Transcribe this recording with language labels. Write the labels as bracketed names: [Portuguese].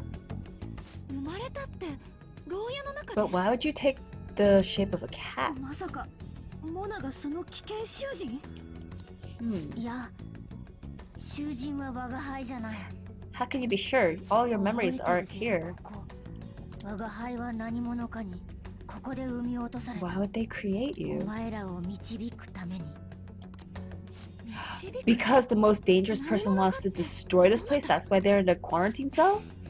[English] Yeah. But why would you take the shape of a cat? [Japanese] モナがその危険囚人？いや、囚人は我が輩じゃない。 [English] How can you be sure? All your memories are here. [Japanese] 我が輩は何者かにここで産み落とされた。 [English] Why would they create you? [Japanese] お前らを導くために。 [English] Because the most dangerous person wants to destroy this place, that's why they're in a quarantine cell?